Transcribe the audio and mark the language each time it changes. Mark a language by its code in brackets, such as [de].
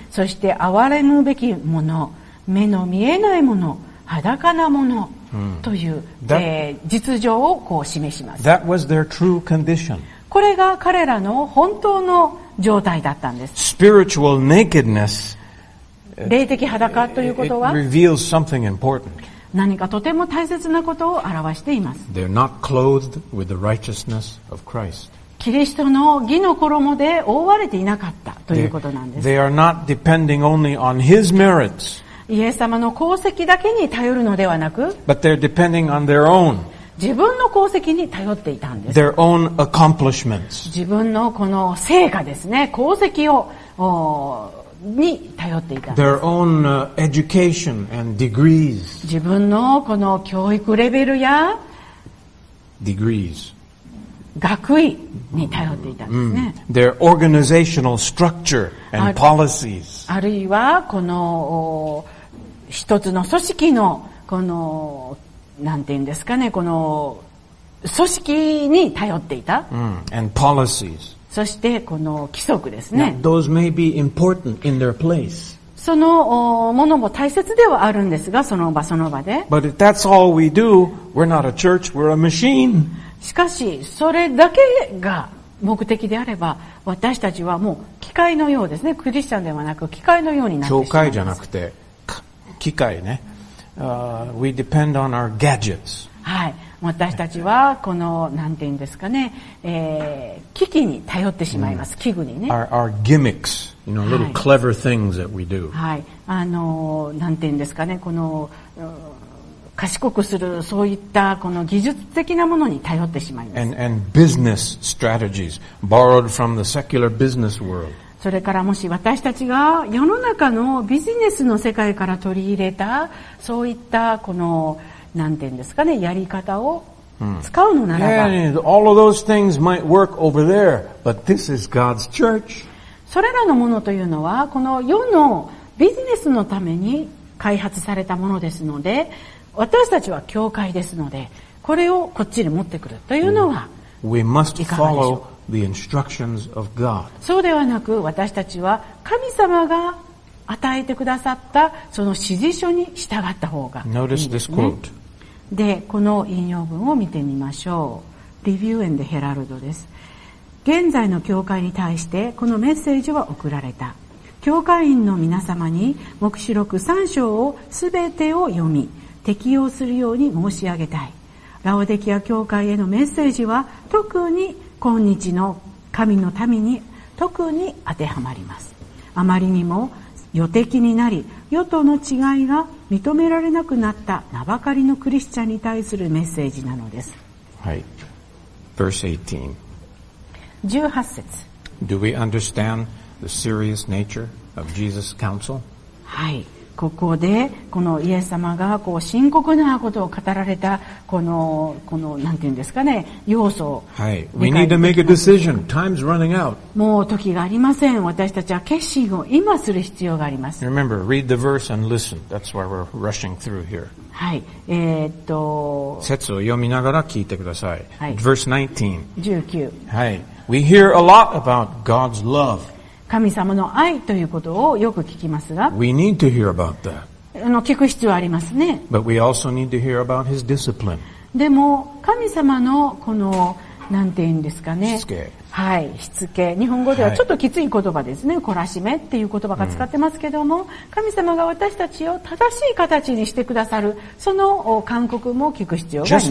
[ja] そして、哀れむべきもの、目の見えないもの、裸なものという、実情をこう示します。 [en] That was their true condition. [ja] これが彼らの本当の状態だったんです。 [en] Spiritual nakedness, [ja] 霊的裸ということは、 [en] it reveals something important. [ja] 何かとても大切なことを表しています。 [en] They're not clothed with the righteousness of Christ. [ja] キリストの義の衣で覆われていなかったということなんです。 [en] They are not depending only on his merits. [ja] イエス様の功績だけに頼るのではなく、 [en] But they're depending on their own. [ja] 自分の功績に頼っていたんです。 [en] Their own accomplishments. [ja] 自分のこの成果ですね、功績をに頼っていたんです。 [en] Their own, education and degrees. [ja] 自分のこの教育レベルや [en] degrees. [ja] 学位に頼っていたんですね。 Mm-hmm. [en] Their organizational structure and policies. [ja] あるいはこの一つの組織のこのなんていうんですかね、この組織に頼っていた。 [en] Mm-hmm. And policies. [ja] そしてこの規則ですね。 [en] Now, those may be important in their place. [ja] そのものも大切ではあるんですが、その場その場で。 [en] But if that's all we do, we're not a church, we're a machine. [ja] しかし、それだけが目的であれば、私たちはもう機械のようですね。クリスチャンではなく、機械のようになってしまう。教会じゃなくて、機械ね。 [en] We depend on our gadgets. [ja] はい。私たちは、この、なんて言うんですかね、機器に頼ってしまいます。器具にね。 [en] Our gimmicks. You know, little clever things that we do. [ja] はい。なんて言うんですかね、この、賢くする、そういった、この技術的なものに頼ってしまいます。 [en] And business strategies borrowed from the secular business world. [ja] それからもし私たちが世の中のビジネスの世界から取り入れた、そういった、この、なんて言うんですかね、やり方を使うのならば。 [en] Yeah, all of those things might work over there, but this is God's church. [ja] それらのものというのは、この世のビジネスのために開発されたものですので、私たちは教会ですので、これをこっちに持ってくるというのは、 [en] We must follow the instructions of God. [ja] そうではなく、私たちは神様が与えてくださったその指示書に従った方がいいですね。 [en] Notice this quote. [ja] で、この引用文を見てみましょう。リビュー&ヘラルドです。現在の教会に対してこのメッセージは送られた。教会員の皆様に黙示録3章を全てを読み適用するように申し上げたい。ラオデキア教会へのメッセージは特に今日の神の民に特に当てはまります。あまりにも予的になり与との違いが認められなくなった名ばかりのクリスチャンに対するメッセージなのです。 [en] はい。Verse 18 [ja] 18節。 [en] Do we understand the serious nature of Jesus' counsel? [ja] はい。ここで、このイエス様がこう深刻なことを語られた、この、なんていうんですかね、要素を。 [en] はい。We need to make a decision. Time's running out. [ja] もう時がありません。私たちは決心を今する必要があります。 [en] Remember, read the verse and listen. That's why we're rushing through here. [ja] はい。節を読みながら聞いてください。 [en] はい。Verse [ja] 19。19。 [en] はい。We hear a lot about God's love. [ja] 神様の愛ということをよく聞きますが、 [en] We need to hear about that. [ja] 聞く必要ありますね。 [en] But we also need to hear about His discipline. [ja] でも神様のこのなんていうんですかね、しつけ、はい、しつけ、日本語ではちょっときつい言葉ですね、はい、懲らしめっていう言葉が使ってますけども、神様が私たちを正しい形にしてくださるその勧告も聞く必要があります。